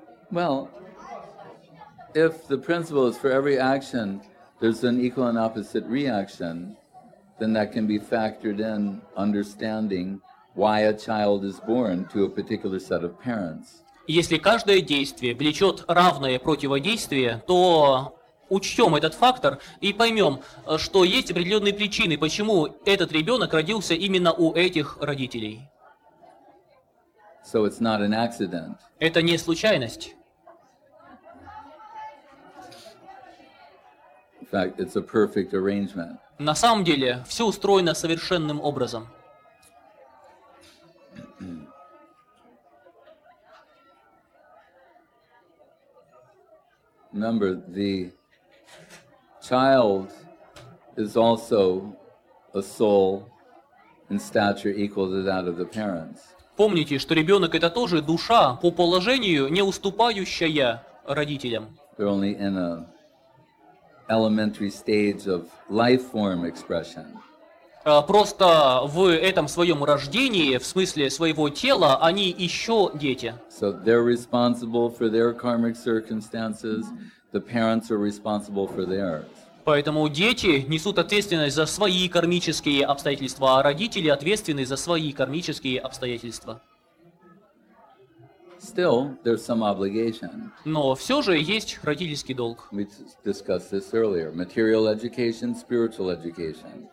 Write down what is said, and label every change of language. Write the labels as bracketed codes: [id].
[en] Well, if the principle is for every action, there's an equal and opposite reaction, then that can be factored in understanding why a child is born to a particular set of parents. [ru] Если каждое действие влечет равное противодействие, то учтем этот фактор и поймем, что есть определенные причины, почему этот ребенок родился именно у этих родителей. [en] So it's not an accident. [ru] Это не случайность. [en] In fact, it's a perfect arrangement. [ru] На самом деле, все устроено совершенным образом. [en] Remember, the child is also a soul in stature equal to that of the parents. [ru] Помните, что ребенок это тоже душа по положению не уступающая родителям. [en] They're only in a elementary stage of life form expression. [ru] Просто в этом своем рождении, в смысле своего тела, они еще дети. [en] So they're responsible for their karmic circumstances. The parents are responsible for theirs. [ru] Поэтому дети несут ответственность за свои кармические обстоятельства, а родители ответственны за свои кармические обстоятельства. [en] Still, there's some obligation. [ru] Но все же есть родительский долг. [en] We discussed this earlier. Material education, spiritual education.